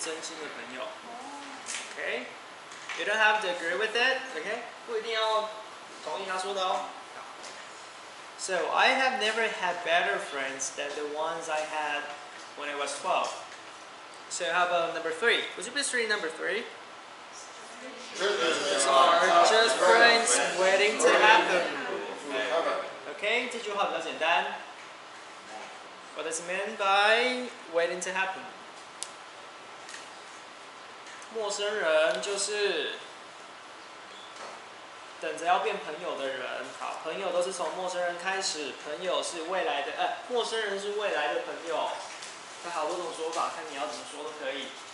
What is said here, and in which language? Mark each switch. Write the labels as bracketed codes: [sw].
[zh] 这句话字面上好像字很简单，可是也是要花一点时间才理解。什么叫做从来没有过比12岁的朋友更好的朋友？嗯，在那12岁的朋友。对，那个，好，这句话的意思是说呢，他那个12岁不是代表真的是12岁那年，而是泛指小时候。好，小时候的朋友才是真心的朋友。OK。 [en] You don't have to agree with it, okay? [zh] 不一定要同意他说的哦。 [en] So, I have never had better friends than the ones I had when I was 12. So how about number three? Would you please read number three? Christmas are just friends waiting to happen. Okay, [zh] 这句话比较简单. [en] What does it mean by waiting to happen? [zh] 陌生人就是 等着要变朋友的人, 好, 朋友都是从陌生人开始, 朋友是未来的, 呃, 陌生人是未来的朋友, 它好多种说法, 看你要怎么说都可以。